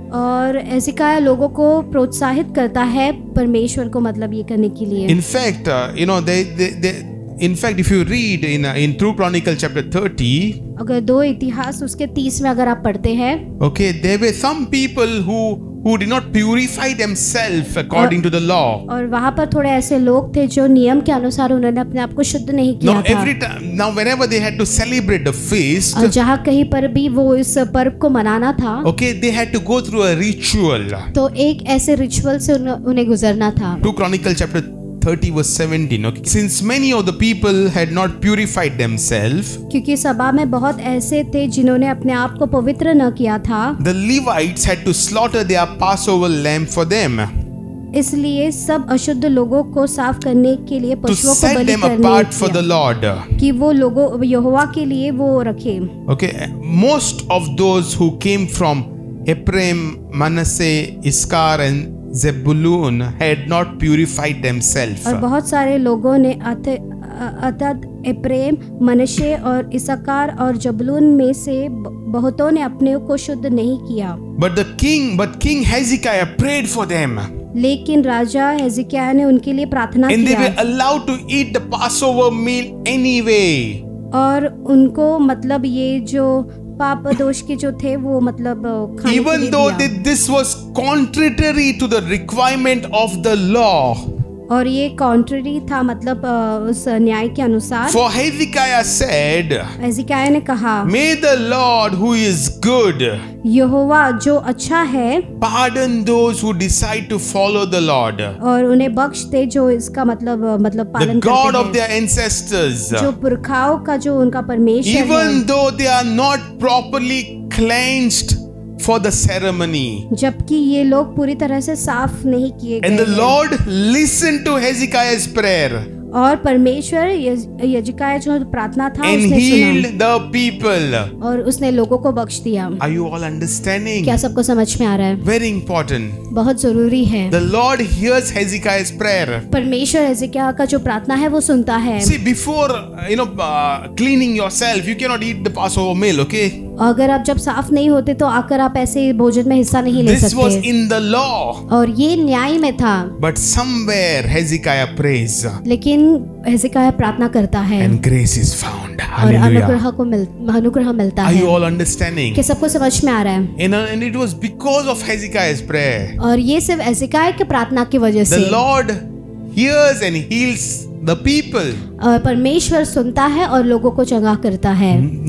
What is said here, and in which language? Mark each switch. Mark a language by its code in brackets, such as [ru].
[hi] और हेजेकिया लोगों को प्रोत्साहित करता है परमेश्वर को मतलब ये करने के लिए। [en] In fact, you know In fact, if you read in True Chronicle chapter 30, [hi] अगर दो इतिहास उसके 30 में अगर आप पढ़ते हैं, [en] okay, there were some people who did not purify themselves according to the law. [hi] और वहाँ पर थोड़े ऐसे लोग थे जो नियम के अनुसार उन्होंने अपने आप को शुद्ध नहीं किया था. [en] Now every time, now whenever they had to celebrate the feast, [hi] और जहाँ कहीं पर भी वो इस पर्व को मनाना था, [en] okay, they had to go through a ritual. [hi] तो एक ऐसे ritual से उन्हें गुजरना था. [en] True Chronicle chapter 30 was 17. Okay. Since many of the people had not purified themselves, [hi] क्योंकि सभा में बहुत ऐसे थे जिन्होंने अपने आप को पवित्र न किया था, [en] the Levites had to slaughter their Passover lamb for them. [hi] इसलिए सब अशुद्ध लोगों को साफ करने के लिए पशुओं को बलि करने [en] apart for the Lord. [hi] कि वो लोगों यहोवा के लिए वो रखे. [en] Okay. Most of those who came from Ephraim, Manasseh, Issachar and Zebulun had not purified themselves. [hi] और बहुत सारे लोगों ने अर्थात एप्रेम मनशे और इसकार और जबलून में से बहुतों ने अपने को शुद्ध नहीं किया. [en] But King Hezekiah prayed for them. [hi] लेकिन राजा हेजेकिया ने उनके लिए प्रार्थना किया. [en] And they were allowed to eat the Passover meal anyway. [hi] और उनको मतलब ये जो पाप दोष के जो थे वो मतलब खाने [en] Even though this was contrary to the requirement of the law. [hi] और ये contrary था मतलब उस न्याय के अनुसार. [en] For Hezekiah said, [hi] हेजेकिया ने कहा, [en] May the Lord who is good, [hi] यहोवा जो अच्छा है, [en] pardon those who decide to follow the Lord. [hi] और उन्हें बख्श दे जो इसका मतलब मतलब पालन करते हैं. [en] The God of their ancestors, [hi] जो पुरखाओं का जो उनका परमेश्वर है. [en] Even though they are not properly cleansed for the ceremony. [hi] जबकि ये लोग पूरी तरह से साफ नहीं किए गए. [en] And the Lord listened to Hezekiah's prayer. [hi] और परमेश्वर यजकाय जो प्रार्थना था [en] And [hi] उसने [en] healed [hi] सुना [en] the people. [hi] और उसने लोगों को बख्श दिया. [en] Are you all understanding? [hi] क्या सबको समझ में आ रहा है? [en] Very important. [hi] बहुत जरूरी है. [en] The Lord hears Hezekiah's prayer. [hi] परमेश्वर हेजेकिया का जो प्रार्थना है वो सुनता है. [en] See, before you know cleaning yourself, you cannot eat the Passover meal, okay? [hi] अगर आप जब साफ नहीं होते तो आकर आप ऐसे भोजन में हिस्सा नहीं ले [en] This [hi] सकते. [en] Was in the law. [hi] और ये न्याय में था. [en] But somewhere Hezekiah prays. [hi] लेकिन हेजेकिया प्रार्थना करता है. [en] And grace is found. [hi] और अनुग्रह को अनुग्रह मिलता [en] है. Are you all understanding? [hi] कि सबको समझ में आ रहा है. [en] And it was because of Hezekiah's prayer. [hi] और ये सिर्फ हेजेकिया के प्रार्थना की वजह से. [en] The Lord hears and heals the people. [hi] और परमेश्वर सुनता है और लोगों को चंगा करता है.